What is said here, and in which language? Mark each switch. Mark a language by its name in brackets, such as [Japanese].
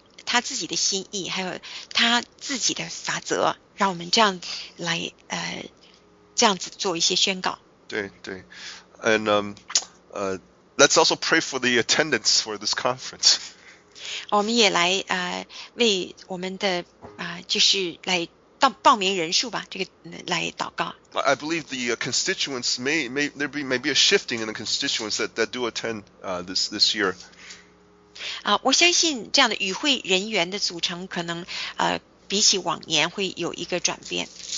[Chinese] 他自己的心意，还有他自己的法则，让我们这样来这样子做一些宣告。对对 [English] ，and let's also pray for the attendance for this conference. [Chinese] 我们也来为我们的就是来到报名人数吧，这个来祷告。 [English] I believe the constituents may be a shifting in the constituents that do attend this year. [Chinese] 啊，我相信这样的与会人员的组成可能比起往年会有一个转变。